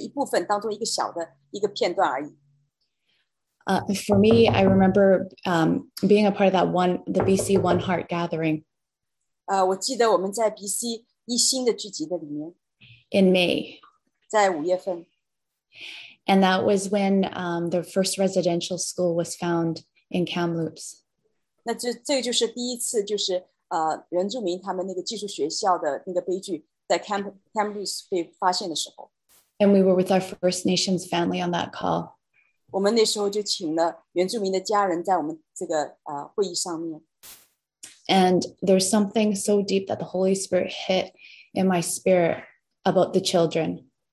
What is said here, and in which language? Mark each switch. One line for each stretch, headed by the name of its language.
Chinese: 我只是图画当中的一部分，当中一个小的一个片段而已。
English: For me, I remember being a part of that one, the BC One Heart Gathering.
Chinese: 我记得我们在BC一心的聚集的里面。
English: In May.
Chinese: 在5月份。
English: And that was when the first residential school was found in Kamloops.
Chinese: 那这就是第一次就是原住民他们那个寄宿学校的那个悲剧在Kamloops被发现的时候。
English: And we were with our First Nations family on that call.
Chinese: 我们那时候就请了原住民的家人在我们这个会议上面。And
English: there's something so deep that the Holy Spirit hit in my spirit about the children.